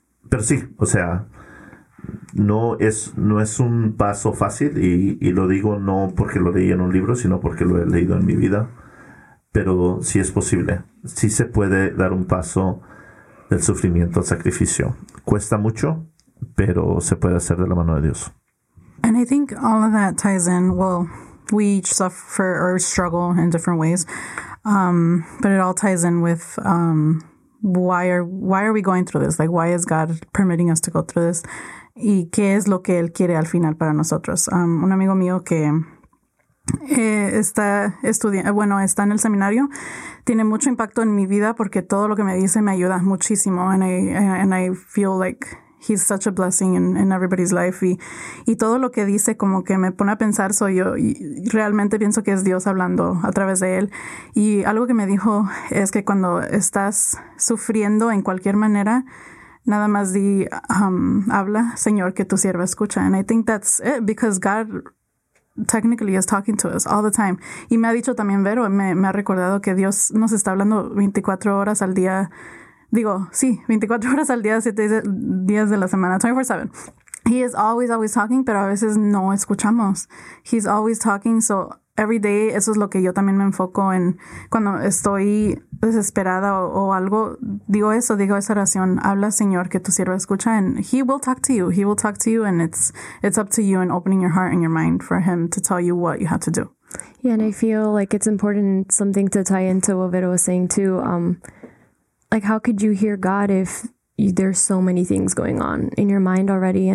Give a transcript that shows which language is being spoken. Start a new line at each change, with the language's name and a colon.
Spanish: Pero sí, o sea, no es un paso fácil, y lo digo no porque lo leí en un libro, sino porque lo he leído en mi vida. Pero sí es posible. Sí se puede dar un paso del sufrimiento al sacrificio. Cuesta mucho, pero se puede hacer de la mano de Dios.
English: And I think all of that ties in, well, we each suffer or struggle in different ways. But it all ties in with why are we going through this? Like, why is God permitting us to go through this?
Spanish: ¿Y qué es lo que Él quiere al final para nosotros? Un amigo mío que está en el seminario, tiene mucho impacto en mi vida porque todo lo que me dice me ayuda muchísimo.
English: And I feel like he's such a blessing in everybody's life.
Spanish: Y todo lo que dice como que me pone a pensar, soy yo. Y realmente pienso que es Dios hablando a través de él. Y algo que me dijo es que cuando estás sufriendo en cualquier manera, nada más di, habla, Señor, que tu sierva escucha.
English: And I think that's it, because God technically is talking to us all the time.
Spanish: Y me ha dicho también, Vero, me ha recordado que Dios nos está hablando 24 horas al día. Digo, sí, 24 horas al día, 7 días de la semana, 24/7.
English: He is always, always talking,
Spanish: pero a veces no escuchamos.
English: He's always talking, so every day,
Spanish: eso es lo que yo también me enfoco en cuando estoy desesperada o algo. Digo eso, digo esa oración, habla, Señor, que tu sierva escucha,
English: and he will talk to you. He will talk to you, and it's up to you in opening your heart and your mind for him to tell you what you have to do. Yeah, and I feel like it's important, something to tie into what Vero was saying too, like, how could you hear God if there's so many things going on in your mind already?